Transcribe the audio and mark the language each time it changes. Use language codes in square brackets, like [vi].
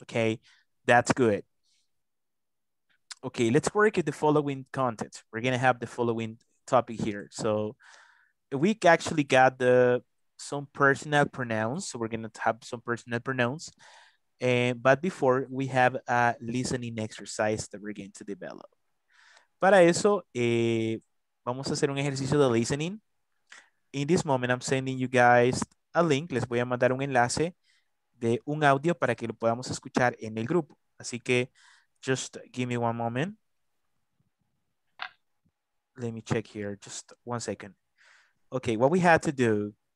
[en] Okay, that's good. Okay, let's work at the following content. We're going to have the following topic here. So we actually got the some personal pronouns. So we're going to have some personal pronouns. But before, we have a listening exercise that we're going to develop. [es] Para eso, vamos a hacer un ejercicio de listening. [en] In this moment, I'm sending you guys a link. [es] Les voy a mandar un enlace de un audio para que lo podamos escuchar en el grupo. [en] Así que, just give me one moment. Let me check here, just one second. Okay, what we had to do.